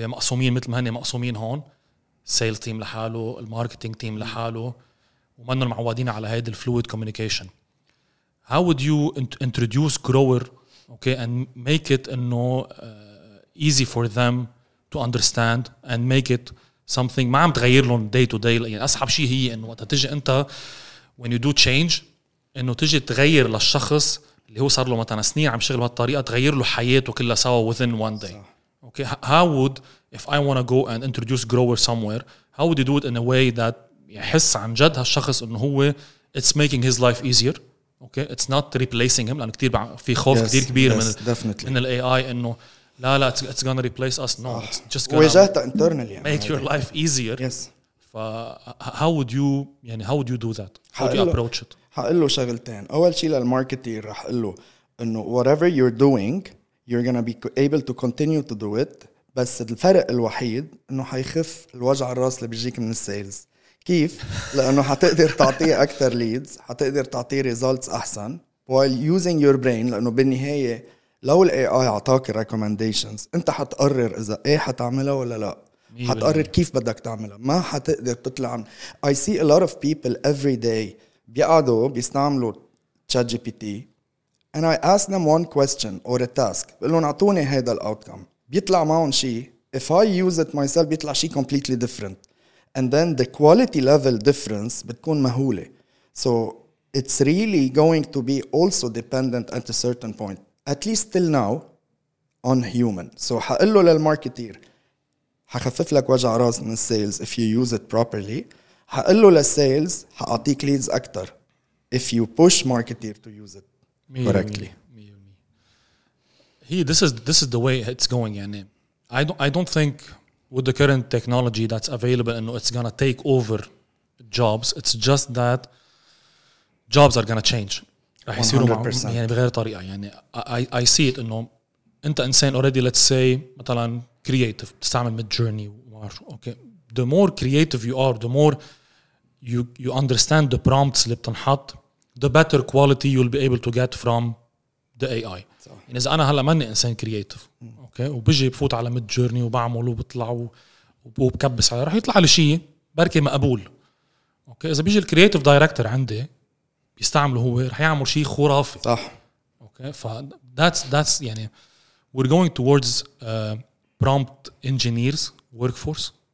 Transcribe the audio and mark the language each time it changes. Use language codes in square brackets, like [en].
[ar] مقسومين مثل ما هني مقسومين هون. [en] Sales team لحاله, marketing team لحاله. [ar] ومنهم معودين على هيدا الفلويد كوميونيكيشن. [en] How would you introduce Grower, okay, and make it انه easy for them to understand and make it something ما عم تغير لهم day to day. [ar] يعني اصعب شيء هي انه وقت تجي انت when you do change, انه تجي تغير للشخص اللي هو صار له مثلا سنين عم يشتغل بهالطريقه, تغير له حياته كلها سوا within one day. [en] Okay, how would, if I want to go and introduce Grower somewhere, how would you do it in a way that يحس عن جد هالشخص انه هو it's making his life easier, okay, it's not replacing him, لان كتير في خوف yes, [ar] كتير كبير [en] yes, [ar] من [en] definitely. من الاي I انه لا it's gonna replace us, no, it's just gonna [ar] واجهته internally [en] يعني. Make your life easier. Yes. ف how would you يعني how would you do that, how do you approach it? [ar] هقول له شغلتين. اول شيء للماركتير رح اقول له انه whatever you're doing you're gonna be able to continue to do it, بس الفرق الوحيد انه حيخف الوجع الراس اللي بيجيك من السيلز. كيف؟ لأنه حتقدر تعطيه أكثر leads, حتقدر تعطيه results أحسن while using your brain, لأنه بالنهاية لو الـ AI عطاك recommendations أنت حتقرر إذا إيه حتعملها ولا لا, حتقرر كيف بدك تعملها. [en] ما حتقدر تطلع عن I see a lot of people every day بيقعدوا بيستعملوا ChatGPT and I ask them one question or a task, بقلون أعطوني هيدا الـ outcome, بيطلع معهم شيء. If I use it myself بيطلع شيء completely different. And then the quality level difference بتكون مهولة. So it's really going to be also dependent at a certain point, at least till now, on human. [ar] So حقله للماركتير, حخفف لك وجع راس من السيلز if you use it properly. [en] حقله للسيلز, حأعطيك leads أكتر if you push marketer to use it correctly. Hey, this is the way it's going. يعني I don't think with the current technology that's available and it's going to take over jobs, it's just that jobs are going to change. 100%. [ar] يعني بغير طريقة. يعني I see it انه انت انسان already, let's say مثلا creative, تستعمل Midjourney. Okay. [en] The more creative you are, the more you understand the prompts اللي بتنحط, the better quality you'll be able to get from the AI. So. [ar] يعني إذا أنا هلأ ماني إنسان كرياتيف, أوكي, وبيجي بفوت على ميد جورني وبعمل وبطلع وبكبس على, رح يطلع على شيء بركي مقبول. أوكي, إذا بيجي الكرياتيف دايركتور عندي بيستعمله هو, رح يعمل شيء خرافي. صح. [en] Okay, فthat's يعني we're going towards prompt engineers workforce.